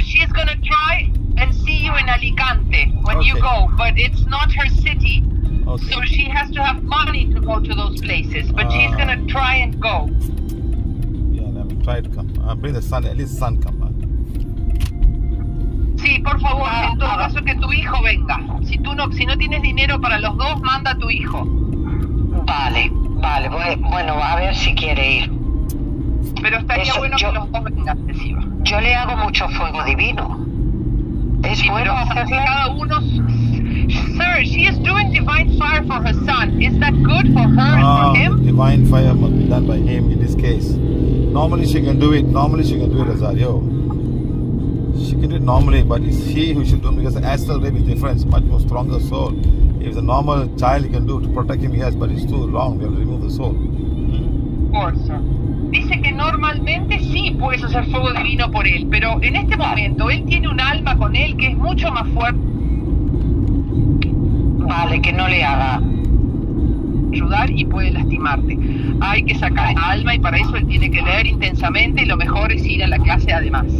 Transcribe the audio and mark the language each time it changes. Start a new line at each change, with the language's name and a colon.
English: She's going to try and see you in Alicante when you go. But it's not her city. Okay. So she has to have money to go to those places, but she's gonna try and go. Yeah, let me try to come. I'll bring the sun, at least sun come back.
Spanish: Sí, por favor, en todo caso que tu hijo venga. Si no tienes dinero para los dos, manda a tu hijo. Vale. Bueno, a ver si quiere ir. Pero estaría bueno que los dos vengan, decía. Yo le hago mucho fuego divino. Es bueno hacerlo. Cada uno.
English: Sir, she is doing divine fire for her son. Is that good for her and for him? Divine fire must be done by him in this case. Normally she can do it. Normally she can do it, Rosario. She can do it normally, but it's he who should do it because the astral rape is different. It's much more stronger soul. If it's a normal child, he can do it to protect him, yes, but it's too long. We have to remove the soul. Of course.
Spanish: Dice que normalmente sí puedes hacer fuego divino por él, pero en este momento él tiene un alma con él que es mucho más fuerte. Vale, que no le haga ayudar y puede lastimarte. Hay que sacar alma y para eso él tiene que leer intensamente y lo mejor es ir a la clase además.